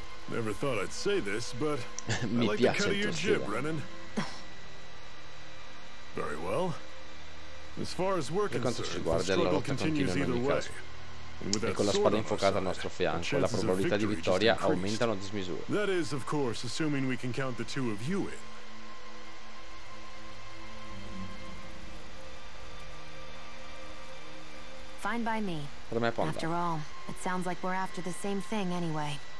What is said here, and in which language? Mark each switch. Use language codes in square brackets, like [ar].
[en] Never thought I'd say this, but I like the cut of your jib, Renan. Very well. As far as we're concerned, the struggle continues either way. [it] E con la spada infuocata al nostro fianco, la probabilità di vittoria aumentano a dismisura. [en] That is, of course, assuming we can count the two of you in. Fine by me. [it] Per me è ponda. [en] After all, it sounds like we're after the same thing anyway.